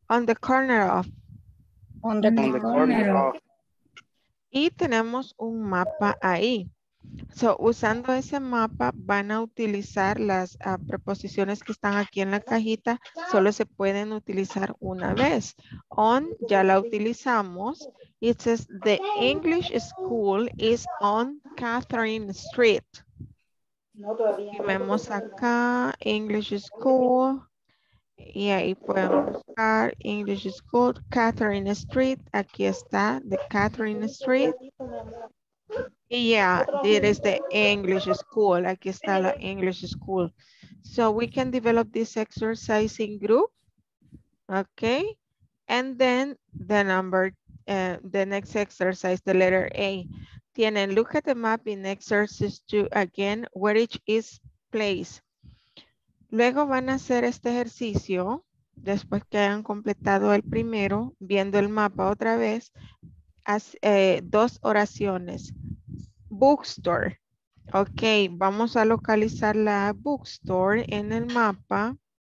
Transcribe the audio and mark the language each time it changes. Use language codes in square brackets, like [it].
[en] On the corner of. On the corner of. [es] Y tenemos un mapa ahí. So, usando ese mapa, van a utilizar las preposiciones que están aquí en la cajita. Solo se pueden utilizar una vez. On, ya la utilizamos. [en] It says, the English school is on Catherine Street. [es] Y vemos acá, English school. Y ahí podemos buscar English school, Catherine Street. Aquí está, [en] the Catherine Street. Yeah, it is the English school. [es] Aquí está la English school. [en] So we can develop this exercise in group. Okay. And then the number, the next exercise, the letter A. Tienen, look at the map in exercise 2 again, where each is placed. [es] Luego van a hacer este ejercicio, después que hayan completado el primero, viendo el mapa otra vez, dos oraciones. Bookstore. Ok, vamos a localizar la bookstore en el mapa.